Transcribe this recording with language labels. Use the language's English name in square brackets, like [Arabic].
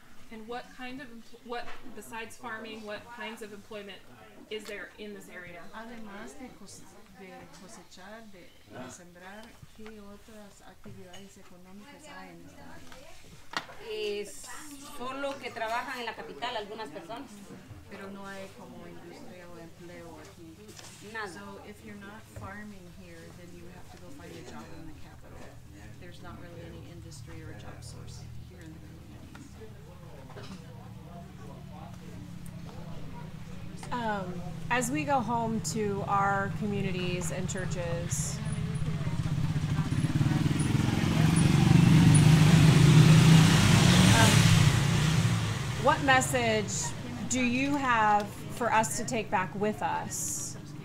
[English] And what kind of, what besides farming, what kinds of employment is there in this area? [Spanish] Además de cosechar, de sembrar, ¿qué otras actividades económicas hay en esta área? Es solo que trabajan en la capital algunas personas. Pero no hay como industria o empleo aquí. Nada. [English] So if you're not farming here, then you have to go find a job in the capital. There's not really any industry or job source here in the community. As we go home to our communities and churches, what message do you have for us to take back with us?